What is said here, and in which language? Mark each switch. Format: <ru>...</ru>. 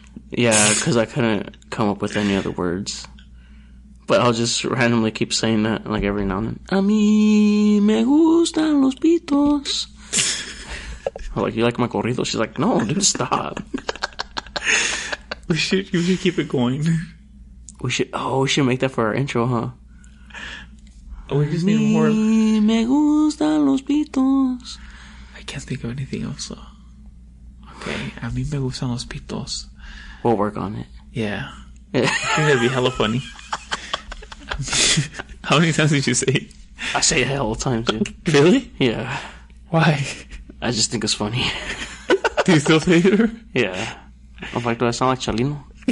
<en>Yeah, because I couldn't come up with any other words. But I'll just randomly keep saying that, like, every now and then.</en> <es>A mí me gustan los pitos.</es> <en>I'm like, you like my corrido? She's like, no, dude, stop. We should keep it going. We should make that for our intro, huh? We just need more.</en> <es>A mí me gustan los pitos.</es> <en>I can't think of anything else.</en> <es>Okay, a mí me gustan los pitos.</es> <en>We'll work on it. Yeah. I think that'd be hella funny. How many times did you say it? I say it hella times, dude. Really? Yeah. Why? I just think it's funny. Do you still say it? Yeah. I'm like, do I sound like Chalino?</en>